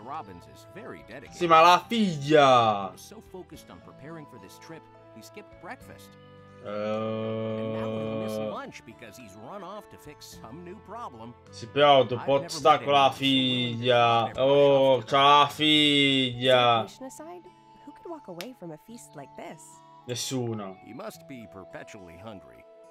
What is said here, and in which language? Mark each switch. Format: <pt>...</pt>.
<en>Robbins is very dedicated.</en> <it>Sì, ma la figlia!</it> <en>So focused on preparing for this trip, he skipped breakfast. And now he'll miss lunch because he's run off to fix some new problem.</en> <it>Sì, però dopo sta con la figlia. Oh, c'ha la figlia!</it> <en>Aside, who could walk away from a feast like this?</en> <it>Nessuno.</it> <en>He must be perpetually hungry.</en>